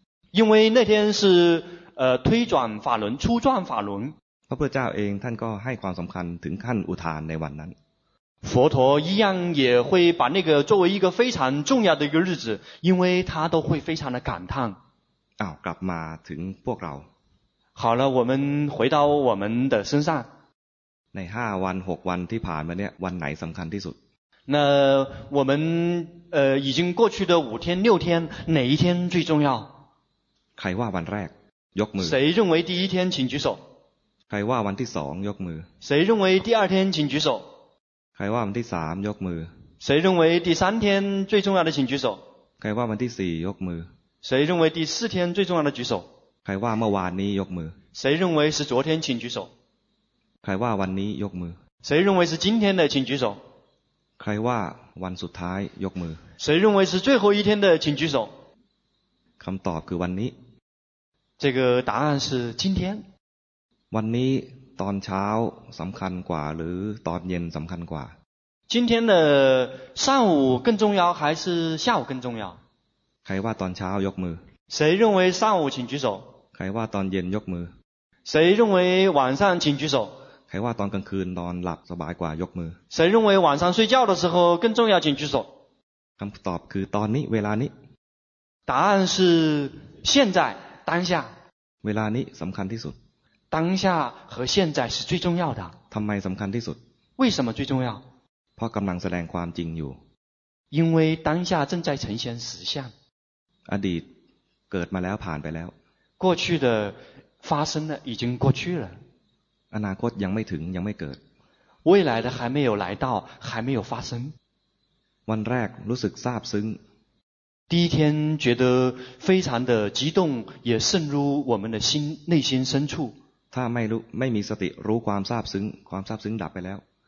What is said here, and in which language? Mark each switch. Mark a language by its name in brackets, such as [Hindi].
[Chinese] 因为那天是推转法轮，初转法轮。 [Thai] พระพุทธเจ้าเองท่านก็ให้ความสำคัญถึงขั้นอุทานในวันนั้น。 [Chinese] 佛陀一样也会把那个作为一个非常重要的一个日子，因为他都会非常的感叹。 [Thai] อ้าวกลับมาถึงพวกเรา。 [Chinese] 好了，我们回到我们的身上。 [Thai] ใน5วัน6วันที่ผ่านมาเนี่ยวันไหนสำคัญที่สุด？ [Chinese] 那我们已经过去的五天六天哪一天最重要？ [Thai] ใครว่าวันแรกยกมือ。 [Chinese] 谁认为第一天请举手？ [Thai] ใครว่าวันที่2ยกมือ。 [Chinese] 谁认为第二天请举手？ [Thai] ใครว่าวันที่3ยกมือ。 [Chinese] 谁认为第三天最重要的请举手？ [Thai] ใครว่าวันที่4ยกมือ。 [Chinese] 谁认为第四天最重要的举手？ [Thai] ใครว่าเมื่อวานนี้ยกมือ。 [Chinese] 谁认为是昨天请举手？ [Thai] ใครว่าวันนี้ยกมือ。 [Chinese] 谁认为是今天的请举手？ [Thai] ใครว่าวันสุดท้ายยกมือ。 [Chinese] 谁认为是最后一天的请举手？ [Thai] คำตอบคือวันนี้ [Chinese] 。 这个答案是今天。 [Thai] วันนี้ตอนเช้าสำคัญกว่าหรือตอนเย็นสำคัญกว่า？ [Chinese] 今天的上午更重要还是下午更重要？ [Thai] ใครว่าตอนเช้ายกมือ。 [Chinese] 谁认为上午请举手？ [Thai] ใครว่าตอนเย็นยกมือ。 [Chinese] 谁认为晚上请举手？ [Thai] ใครว่าตอนกลางคืนนอนหลับสบายกว่ายกมือ。 [Chinese] 谁认为晚上睡觉的时候更重要请举手？ [Thai] คำตอบคือตอนนี้เวลานี้。 [Chinese] 答案是现在当下。 [Thai] เวลานี้สำคัญที่สุด。 [Chinese] 当下和现在是最重要的。 [Thai] ทำไมสำคัญที่สุด？ [Chinese] 为什么最重要？ [Thai] เพราะกำลังแสดงความจริงอยู่。 [Chinese] 因为当下正在呈现实相。 [Thai] อดีตเกิดมาแล้วผ่านไปแล้ว [Chinese] 过去的发生了已经过去了 [Thai] อนาคตยังไม่ถึงยังไม่เกิด [Chinese] 未来的还没有来到还没有发生 [Thai] วันแรกรู้สึกซาบซึ้ง [Chinese] 第一天觉得非常的激动也渗入我们的心内心深处 [Thai] ถ้าไม่มีสติรู้ความซาบซึ้งความซาบซึ้งดับไปแล้ว